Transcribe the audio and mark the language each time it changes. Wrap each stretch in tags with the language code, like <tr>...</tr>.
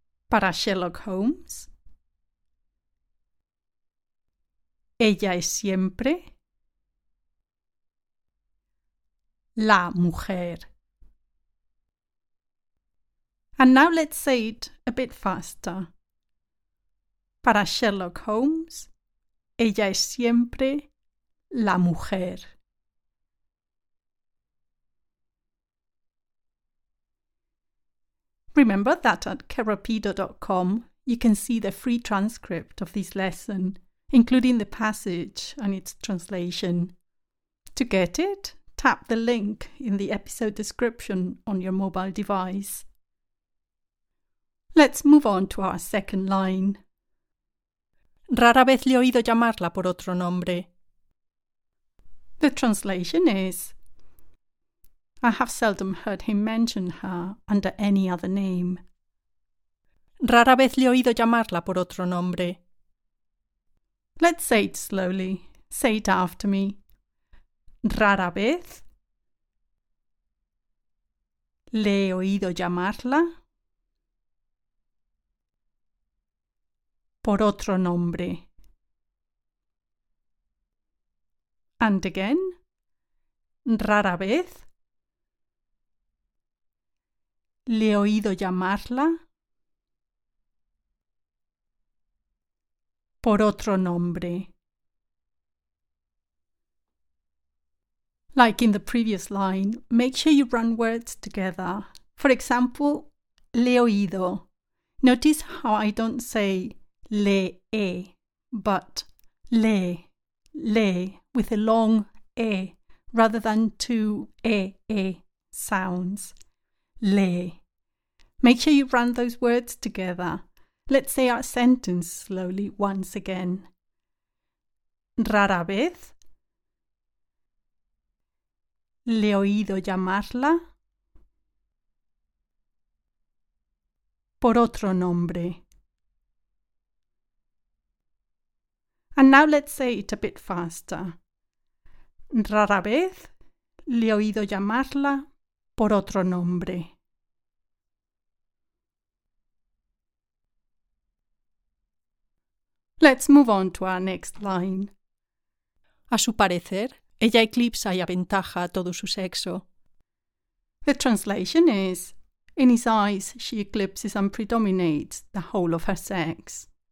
<es>Para Sherlock Holmes, ella es siempre la mujer.</es> <en>And now let's say it a bit faster.</en> <es>Para Sherlock Holmes, ella es siempre la mujer.</es> <en>Remember that at kerapido.com you can see the free transcript of this lesson, including the passage and its translation. To get it, tap the link in the episode description on your mobile device. Let's move on to our second line.</en> <es>Rara vez le he oído llamarla por otro nombre.</es> <en>The translation is, I have seldom heard him mention her under any other name.</en> <es>Rara vez le he oído llamarla por otro nombre.</es> <en>Let's say it slowly. Say it after me.</en> <es>Rara vez le he oído llamarla por otro nombre.</es> <en>And again,</en> <es>rara vez le he oído llamarla por otro nombre.</es> <en>Like in the previous line, make sure you run words together. For example,</en> <es>le he oído.</es> <en>Notice how I don't say le e, but le, le, with a long e, rather than two e, e sounds. Le. Make sure you run those words together. Let's say our sentence slowly once again.</en> <es>Rara vez le he oído llamarla por otro nombre.</es> <en>And now let's say it a bit faster.</en> <es>Rara vez le he oído llamarla por otro nombre.</es> <en>Let's move on to our next line.</en> <es>A su parecer, ella eclipsa y aventaja a todo su sexo.</es> <en>The translation is, in his eyes, she eclipses and predominates the whole of her sex.</en>